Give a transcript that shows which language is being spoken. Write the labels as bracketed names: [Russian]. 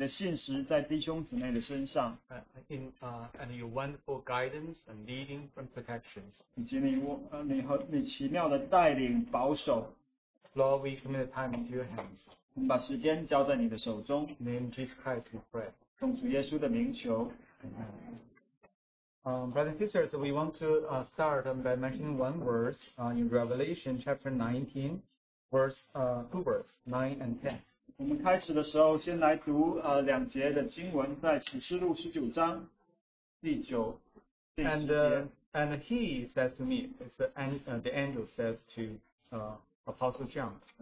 [Chinese] 能够一同看到你的爱、你的恩典、你的信实在弟兄姊妹的身上。 [English] And your wonderful guidance and leading and protection. [Chinese] 以及你奇妙的带领保守。 [English] Lord, we commit the time into your hands. [Chinese] 我们把时间交在你的手中。 [English] In the name of Jesus Christ, we pray. [Chinese] 奉主耶稣的名求。 [English] Brothers and sisters, we want to start by mentioning one verse in Revelation chapter 19, two verses, 9 and 10. [Chinese] 我们开始的时候先来读 两节的经文, 在启示录19章第九节。 [English] And he says to me, the angel says to Apostle John,